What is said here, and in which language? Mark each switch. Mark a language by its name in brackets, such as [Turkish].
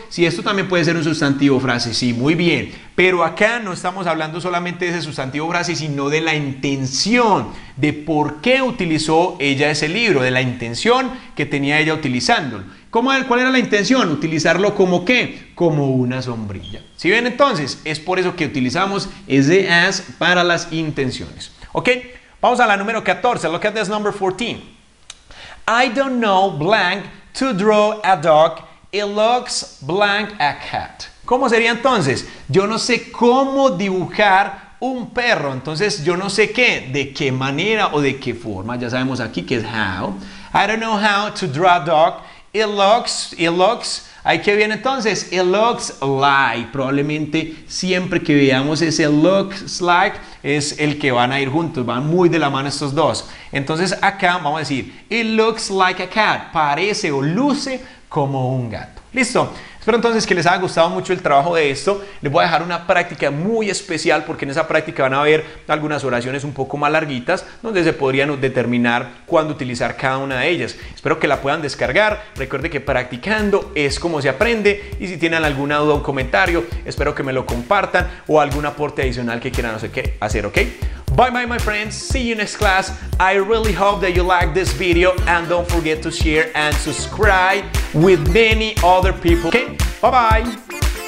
[Spanish] Si esto también puede ser un sustantivo frase. Sí, muy bien. Pero acá no estamos hablando solamente de ese sustantivo frase, sino de la intención, de por qué utilizó ella ese libro, de la intención que tenía ella utilizándolo. ¿Cómo, cuál era la intención? ¿Utilizarlo como qué? Como una sombrilla. ¿Sí ven entonces? Es por eso que utilizamos ese as para las intenciones. ¿Ok? Vamos a la número 14. [English] Look at this number 14. I don't know blank to draw a dog. It looks blank a cat. [Spanish] ¿Cómo sería entonces? Yo no sé cómo dibujar un perro. Entonces, yo no sé qué, de qué manera o de qué forma. Ya sabemos aquí que es how. [English] I don't know how to draw a dog. It looks, [Spanish] ahí que viene entonces, [English] it looks like, [Spanish] probablemente siempre que veamos ese looks like, es el que van a ir juntos, van muy de la mano estos dos. Entonces acá vamos a decir, [English] it looks like a cat, [Spanish] parece o luce como un gato. ¿Listo? Espero entonces que les haya gustado mucho el trabajo de esto. Les voy a dejar una práctica muy especial porque en esa práctica van a ver algunas oraciones un poco más larguitas donde se podrían determinar cuándo utilizar cada una de ellas. Espero que la puedan descargar. Recuerde que practicando es como se aprende. Y si tienen alguna duda o un comentario, espero que me lo compartan o algún aporte adicional que quieran hacer, ¿ok? [English] Bye bye my friends, see you next class. I really hope that you like this video and don't forget to share and subscribe with many other people. Okay, bye bye.